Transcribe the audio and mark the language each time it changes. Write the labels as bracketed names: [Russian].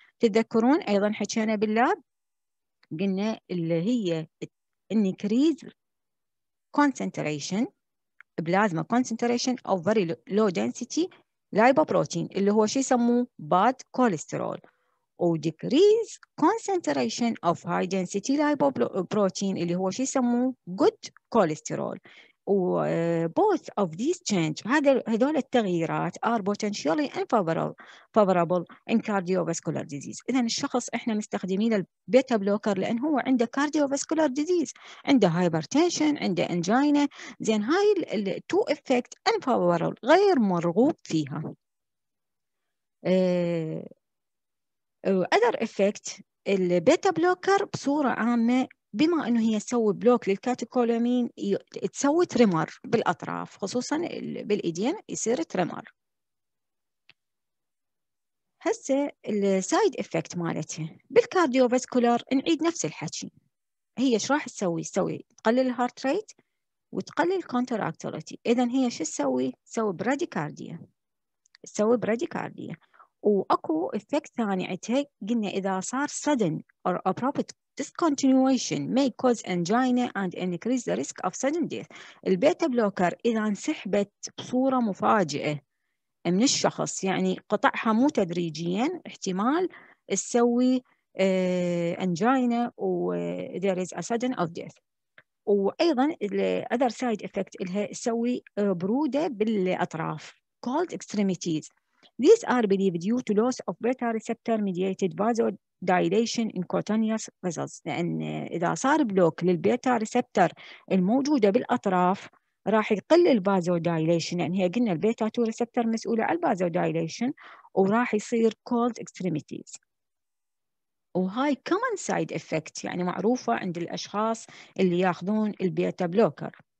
[Arabic] تتذكرون ايضا حكينا باللاب قلنا اللي هي [English] increase concentration plasma concentration of very low density lipoprotein [Arabic] اللي هو شيء يسموه [English] Bad cholesterol, أو decrease concentration of high density lipoprotein اللي هو شيء يسموه good cholesterol. Both of these change [Arabic] هذول التغييرات [English] are potentially unfavorable in cardiovascular disease. [Arabic] إذن الشخص إحنا مستخدمين البيتا بلوكر لأن هو عنده [English] cardiovascular disease، [Arabic] عنده hypertension، عنده angina، زين هاي ال [English] two effect unfavorable [Arabic] غير مرغوب فيها. [English] Other effect [Arabic] البيتا بلوكر بصورة عامة بما أنه هي تسوي بلوك للكاتيكولامين تسوي تريمر بالأطراف خصوصا بالإيدين يصير تريمر. هسه السايد إفكت مالتها بالكارديوفاسكولار نعيد نفس الحكي، هي ايش راح تسوي؟ تسوي تقلل الهارت ريت وتقلل كونتر أكتيفيتي. إذا هي شو تسوي؟ تسوي براديكارديا، تسوي براديكارديا. وأكو إفكت ثاني عتها قلنا إذا صار [English] sudden or abrupt discontinuation may cause angina and increase the risk of sudden death. [Arabic] البيتا بلوكر إذا انسحبت بصورة مفاجئة من الشخص يعني قطعها مو تدريجيا احتمال تسوي angina و [English] there is a sudden of death. [Arabic] وأيضا [English] other side effect [Arabic] إلها تسوي برودة بالأطراف [English] called extremities. These are believed due to loss of beta receptor mediated vasodilation in cutaneous vessels. [Arabic] لأن إذا صار بلوك للبيتا ريسبتر الموجودة بالأطراف راح يقل الفازودايليشن، لأن هي قلنا البيتا 2 ريسبتر مسؤولة عن الفازودايليشن، وراح يصير [English] cold extremities. [Arabic] وهاي [English] common side effect [Arabic] يعني معروفة عند الأشخاص اللي ياخذون البيتا بلوكر.